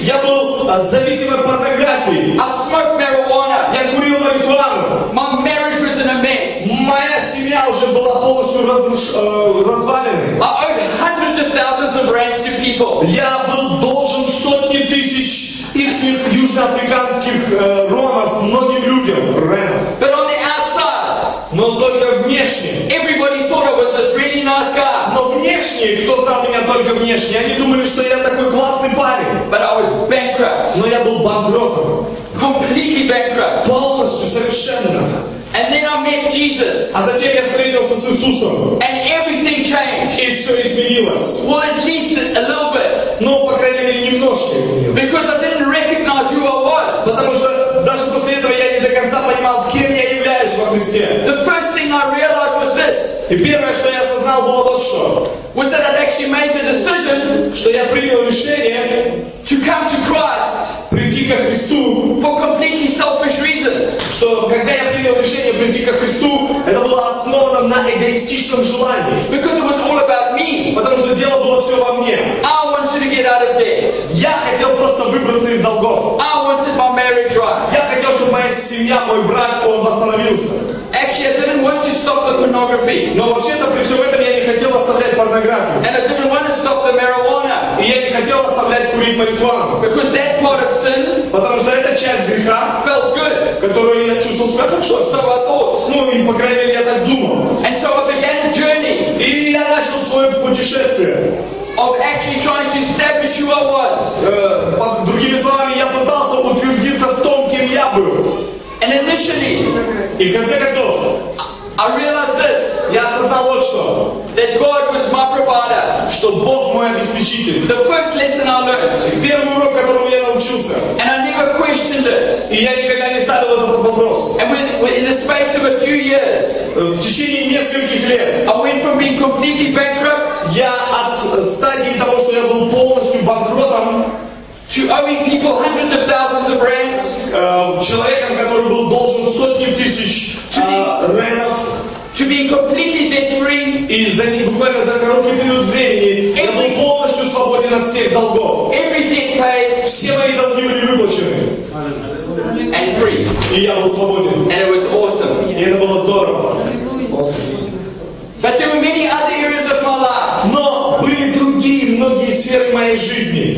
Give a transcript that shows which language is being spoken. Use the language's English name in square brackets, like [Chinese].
[Russian] Я был зависим от порнографии. [English] I smoked marijuana. [Russian] Я курил марихуану. [English] My marriage was in a mess. [Russian] Моя семья уже была полностью развалена. [English] I owed hundreds of thousands of rands to people. [Russian] Я был должен сотни тысяч их южноафриканских ромов многим людям, ренов. [English] But on the outside. [Russian] Но только внешне. [English] Everybody thought I was this really nice guy. [Russian] Но внешне, кто знал меня только внешне, они думали, что я такой классный парень. [English] But I was bankrupt. [Russian] Но я был банкротом. [English] Completely bankrupt. [Russian] Полностью, совершенно. [English] And then I met Jesus. [Russian] А затем я встретился с Иисусом. [English] And everything changed. [Russian] И все изменилось. [English] Well, at least a little bit. [Russian] Но, по крайней мере, немножко изменилось. [English] Because I didn't recognize who I was. [Russian] Потому что даже после этого я не до конца понимал, кем я являюсь во Христе. [English] The first thing I realized was this. [Russian] И первое, что я осознал, было вот что. [English] Was that I'd actually made the decision, [Russian] что я принял решение, [English] to come to Christ, [Russian] прийти ко Христу, [English] for completely selfish reasons. [Russian] Что когда я принял решение прийти ко Христу, это было основано на эгоистичном желании. [English] Because it was all about me. [Russian] Потому что дело было все во мне. [English] I wanted to get out of debt. [Russian] Я хотел просто выбраться из долгов. [English] I wanted my marriage right. [Russian] Я хотел, чтобы моя семья, мой брак, он восстановился. [English] Actually, I didn't want to stop the pornography. [Russian] Но вообще-то при всем этом я не хотел оставлять порнографию. [English] And I didn't want to stop the marijuana. [Russian] И я не хотел оставлять курить марихуану. [English] Because that part of sin, [Russian] потому что эта часть греха, [English] felt good, [Russian] которую я чувствовал себя хорошо. [English] So I thought. [Russian] Ну, и по крайней мере я так думал. [English] And so I began a journey. [Russian] И я начал свое путешествие. [English] Of actually trying to establish who I was. [Russian] Другими словами, я пытался утвердиться в том, кем я был. [English] And initially, [Russian] и в конце концов, [English] I realized this, [Russian] я осознал вот что, [English] that God was my provider, [Russian] что Бог мой обеспечитель. [English] The first lesson I learned, [Russian] первый урок, которому я научился. [English] And I never questioned it. [Russian] И я никогда не ставил этот вопрос. [English] And in the space of a few years, [Russian] в течение нескольких лет, [English] I went from being completely bankrupt, [Russian] я от стадии того, что я был полностью банкротом, [English] to owing people hundreds of thousands of rands, [Russian] человеком, который был должен сотни тысяч рэнов, [English] to being completely debt free, [Russian] и за ним буквально за короткий период времени я был полностью свободен от всех долгов. [English] Everything paid, [Russian] все мои долги были выплачены. [English] And free. [Russian] И я был свободен. [English] And it was awesome. [Russian] И это было здорово. [English] Awesome. But there were many other areas of my life. [Russian] Но были другие многие сферы моей жизни.